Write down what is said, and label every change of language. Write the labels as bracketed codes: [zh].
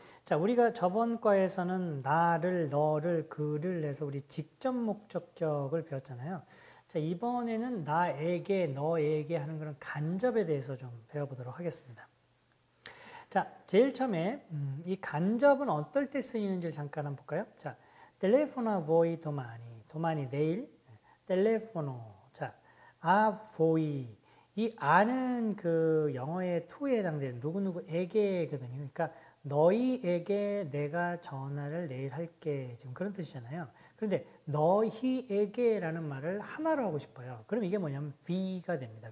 [ko] 자, 우리가 저번 과에서는 나를, 너를, 그를 해서 우리 직접 목적격을 배웠잖아요. 자, 이번에는 나에게, 너에게 하는 그런 간접에 대해서 좀 배워보도록 하겠습니다. 자, 제일 처음에 이 간접은 어떨 때 쓰이는지를 잠깐 한번 볼까요? [it] 자, telefono a voi domani 내일, telefono. 자, a voi. [ko] 이 아는 그 영어의 to에 해당되는 누구누구에게거든요. 그러니까 너희에게 내가 전화를 내일 할게. 지금 그런 뜻이잖아요. 그런데 너희에게라는 말을 하나로 하고 싶어요. 그럼 이게 뭐냐면 V가 됩니다.